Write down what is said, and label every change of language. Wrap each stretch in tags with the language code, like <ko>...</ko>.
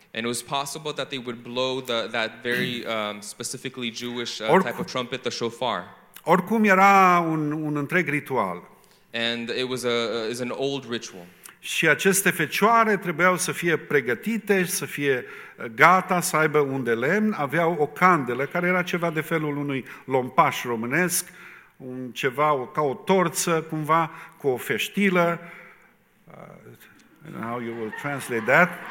<en>And it was possible that they would blow that very specifically Jewish type of trumpet, the shofar.</en> <ro>Oricum era un întreg ritual.</ro> <en>And it was is an old ritual.</en> <ro>Și aceste fecioare trebuiau să fie pregătite, să fie gata, să aibă un de lemn, aveau o candelă care era ceva de felul unui lompaș românesc, un ceva ca o torță, cumva, cu o feștilă.</ro> <en>I don't know how you will translate that.</en>